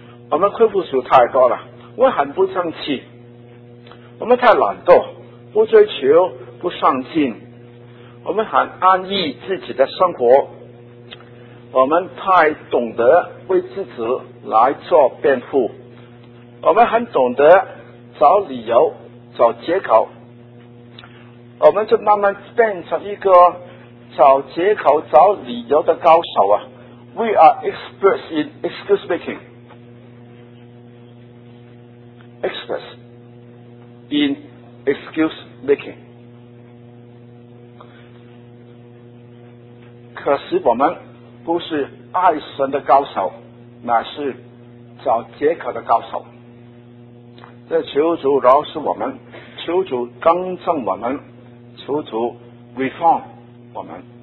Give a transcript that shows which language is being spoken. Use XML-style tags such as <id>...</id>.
<zh>我们亏负数太多了，我很不争气，我们太懒惰，不追求，不上进，我们很安逸自己的生活，我们太懂得为自己来做辩护，我们很懂得找理由找借口，我们就慢慢变成一个找借口找理由的高手啊。</zh> <en>We are experts in excuse making, experts in excuse making。</en> <zh>可是我们不是爱神的高手，乃是找借口的高手。这求主饶恕我们，求主更正我们，求主 reform 我们。</zh>